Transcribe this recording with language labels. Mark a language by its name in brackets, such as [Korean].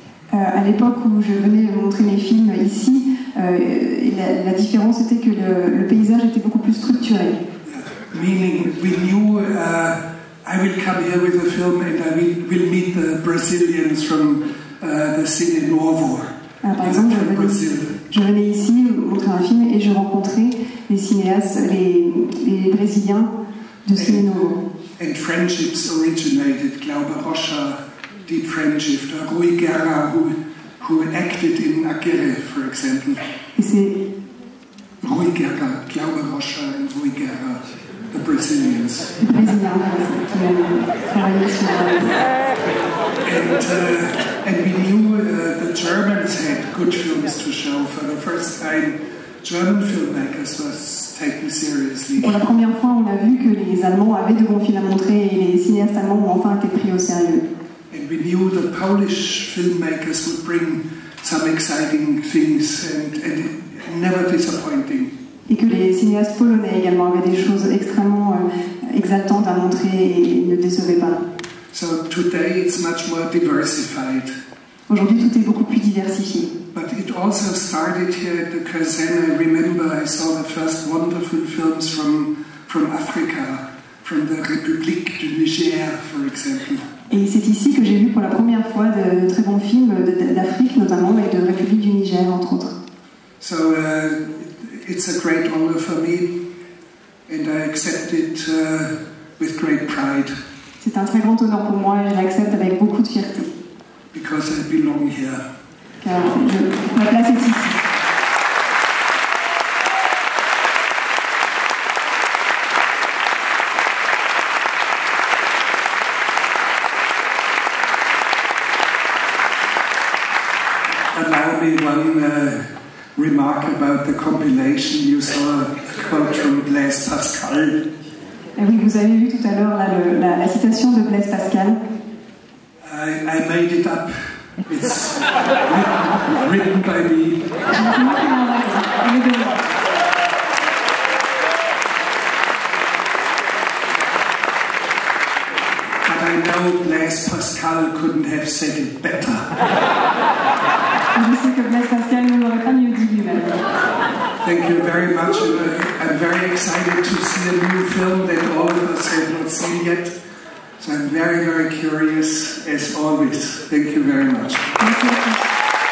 [French] À l'époque où je venais montrer mes films ici, la différence était que le paysage était beaucoup plus structuré. [English] Meaning, we knew I will come here with a film and I will meet the Brazilians from the Cine Novo. [French] Par exemple, je venais ici montrer un film et je rencontrais les cinéastes, les Brésiliens de Cine Novo. [English] And friendships originated. Glauber Rocha, deep friendship. Rui Guerra, who acted in Aguirre, for example. [French] Et c'est [English] Rui Guerra, Glauber Rocha and Rui Guerra, the Brazilians. [French] Les Brésiliens qui ont travaillé sur. [English] And we knew the Germans had good films to show. For the first time, German filmmakers was taken seriously. [French] Pour la première fois, on a vu que les Allemands avaient de bons films à montrer et les cinéastes allemands ont enfin été pris au sérieux. [English] And we knew the Polish filmmakers would bring some exciting things and never disappointing. [French] Et que les cinéastes polonais également avaient des choses extrêmement exaltantes à montrer et ne décevaient pas. [English] So today it's much more diversified. [French] Aujourd'hui, tout est beaucoup plus diversifié. [English] But it also started here at the Crescent. I remember I saw the first wonderful films from Africa, from the Republic du Niger, for example. [French] Et c'est ici que j'ai vu pour la première fois de très bons films d'Afrique, notamment, et de République du Niger, entre autres. [English] So it's a great honor for me, and I accept it with great pride. [French] C'est un très grand honneur pour moi et je l'accepte avec beaucoup de fierté. [English] Because I belong here. [French] Car ma place est ici. [English] Allow me one remark about the compilation. You saw a quote from Blaise Pascal. [French] Oui, vous avez vu tout à l'heure la citation de Blaise Pascal. [English] I made it up. It's written by me. But I know Blaise Pascal couldn't have said it better. [French] Je sais que Blaise Pascal ne l'aurait pas mieux dit lui-même. [English] Thank you very much. I'm very excited to see a new film that all of us have not seen yet. So I'm very, very curious, as always. Thank you very much.